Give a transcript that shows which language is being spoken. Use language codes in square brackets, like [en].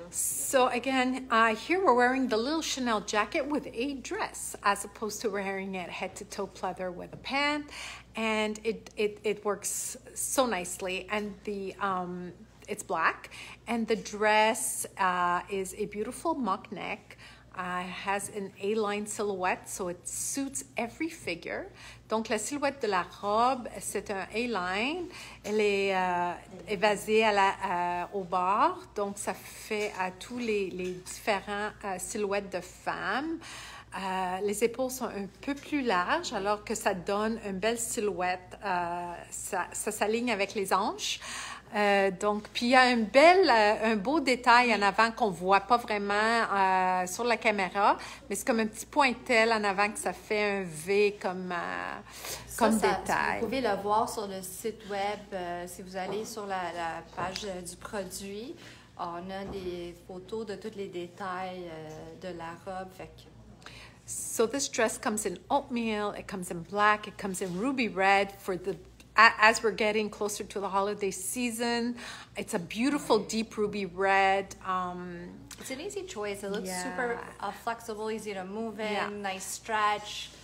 [en] So again, here we're wearing the little Chanel jacket with a dress as opposed to wearing it head to toe pleather with a pant. And it works so nicely. And the... it's black, and the dress is a beautiful mock neck. It has an A-line silhouette, so it suits every figure. [fr] Donc la silhouette de la robe, c'est un A-line. Elle est évasée au bord, donc ça fait à tous les différents silhouettes de femmes. Les épaules sont un peu plus larges, alors que ça donne une belle silhouette. Ça s'aligne avec les hanches. Donc, puis il y a un beau détail en avant qu'on ne voit pas vraiment sur la caméra, mais c'est comme un petit pointel en avant que ça fait un V comme, comme ça, détail. Vous pouvez le voir sur le site web, si vous allez sur la page du produit, on a des photos de tous les détails de la robe. Fait que... [en] So this dress comes in oatmeal, it comes in black, it comes in ruby red for the as we're getting closer to the holiday season. It's a beautiful deep ruby red. It's an easy choice. It looks super flexible, easy to move in, nice stretch.